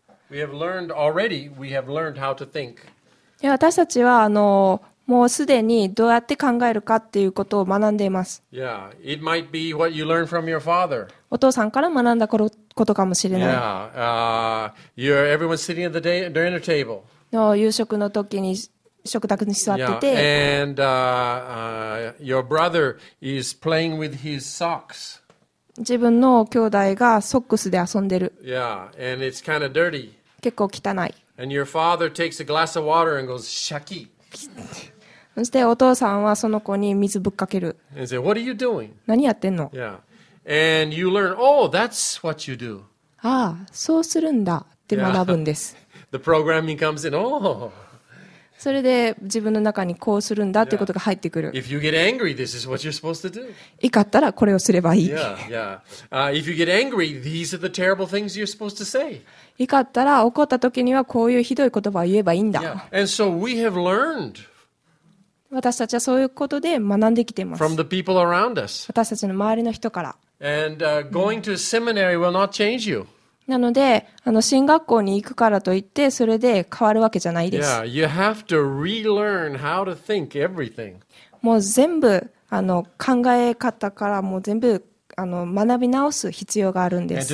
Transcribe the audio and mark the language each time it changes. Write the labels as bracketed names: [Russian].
[English] We have learned already, we have learned how to think. [Japanese] 私たちはもうすでにどうやって考えるかっていうことを学んでいます。 [English] Yeah, it might be what you learned from your father. [Japanese] お父さんから学んだことかもしれない。 [English] Yeah, everyone's sitting at the dinner table. [Japanese] の夕食の時に食卓に座ってて、 [English] yeah. And, your brother is playing with his socks. [Japanese] 自分の兄弟がソックスで遊んでる。 [English] Yeah. And it's kind of dirty. [Japanese] 結構汚い。 [English] And your father takes a glass of water and goes, シャキ。 [Japanese] そしてお父さんはその子に水ぶっかける。 [English] And say, What are you doing? [Japanese] 何やってんの？ [English] Yeah. And you learn, oh, that's what you do. [Japanese] ああ、そうするんだって学ぶんです。 [English] Yeah. The programming comes in. Oh. [Japanese] それで自分の中にこうするんだっていうことが入ってくる。 [English] If you get angry, this is what you're supposed to do. [Japanese] 怒ったらこれをすればいい。 [English] Yeah, yeah. If you get angry, these are the terrible things you're supposed to say. [Japanese] 怒ったら怒った時にはこういうひどい言葉を言えばいいんだ。 [English] Yeah. And so we have learned. [Japanese] 私たちはそういうことで学んできています。 [English] From the people around us. [Japanese] 私たちの周りの人から。 [English] And going to a seminary will not change you. [Japanese] なので、進学校に行くからといって、それで変わるわけじゃないです。 [English] Yeah, you have to relearn how to think everything. [Japanese] もう全部、考え方からもう全部、学び直す必要があるんです。